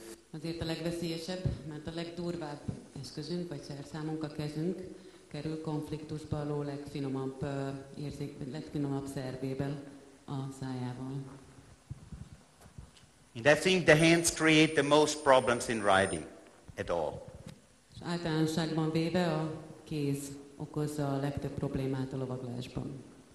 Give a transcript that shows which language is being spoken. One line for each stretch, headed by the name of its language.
Hungarian: Azért a legveszélyesebb, mert a legdurvább eszközünk, vagy szerszámunk, a kezünk kerül konfliktusba a ló legfinomabb legfinomabb szervével, a szájával.
English: And I think the hands create the most problems in riding at all.
Hungarian: És általánosságban véve a kéz okozza a legtöbb problémát a lovaglásban.